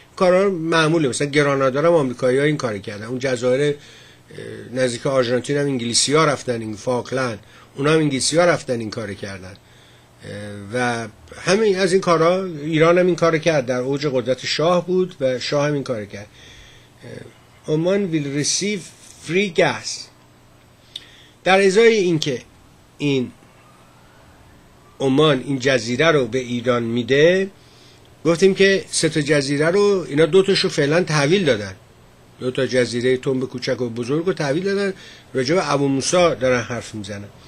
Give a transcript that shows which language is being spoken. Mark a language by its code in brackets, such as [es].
[fa] کارا معموله، مثلا گرانادا هم آمریکایی‌ها این کارو کردن، اون جزایر نزدیک آرژانتین هم انگلیسی‌ها رفتن، این فاکلند اونا هم انگلیسی ها رفتن این کار کردن و همین از این کارا. ایران هم این کار کرد، در اوج قدرت شاه بود و شاه هم این کار کرد. [en] Oman will receive free gas. [fa] در ازای این که این عمان این جزیره رو به ایران میده، گفتیم که سه تا جزیره رو اینا دوتاش رو فعلا تحویل دادن، دو تا جزیره تنب کوچک و بزرگ رو تحویل دادن، راجع به ابو موسی دارن حرف میزنن.